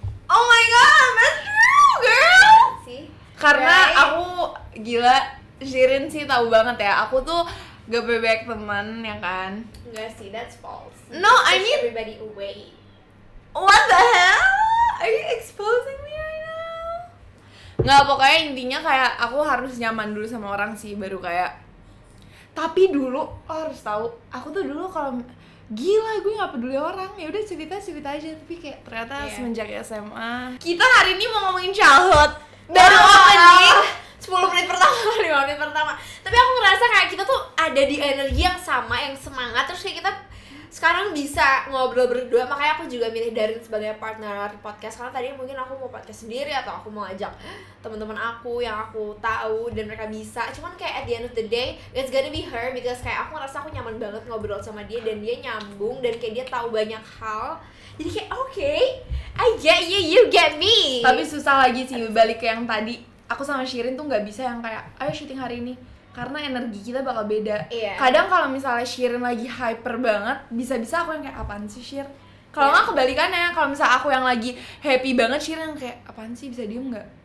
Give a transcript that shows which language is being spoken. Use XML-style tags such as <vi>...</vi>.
<en>Oh my god, that's true, girl.</en> <id>Sih. Karena aku gila, Shirin sih tahu banget ya. Aku tuh gak bebek teman ya kan? Gak sih,</id> <en>that's false. No, push I mean everybody away. What the hell? Are you exposing me right now?</en> <id>Nggak, pokoknya intinya kayak aku harus nyaman dulu sama orang sih baru kayak. Tapi dulu lo harus tahu, aku tuh dulu kalau gila gue nggak peduli orang, ya udah cerita aja. Tapi kayak ternyata semenjak SMA kita hari ini mau ngomongin childhood baru opening 10 menit pertama. Tapi aku ngerasa kayak kita tuh ada di energi yang sama, yang semangat, terus kayak kita sekarang bisa ngobrol berdua. Makanya aku juga milih Darin sebagai partner podcast, karena tadi mungkin aku mau podcast sendiri atau aku mau ajak teman-teman aku yang aku tahu dan mereka bisa. Cuman kayak</id> <en>at the end of the day it's gonna be her, because</en> <id>kayak aku ngerasa aku nyaman banget ngobrol sama dia dan dia nyambung dan kayak dia tahu banyak hal. Jadi kayak</id> <en>okay, I get you, you get me.</en> <id>Tapi susah lagi sih balik ke yang tadi. Aku sama Shirin tuh enggak bisa yang kayak ayo syuting hari ini, karena energi kita bakal beda.</id> <en>Yeah.</en> <id>Kadang kalau misalnya Shirin lagi hyper banget, bisa-bisa aku yang kayak apaan sih Shir? Kalau enggak kebalikannya, kalau misalnya aku yang lagi happy banget, Shirin yang kayak apaan sih, bisa diem enggak?</id>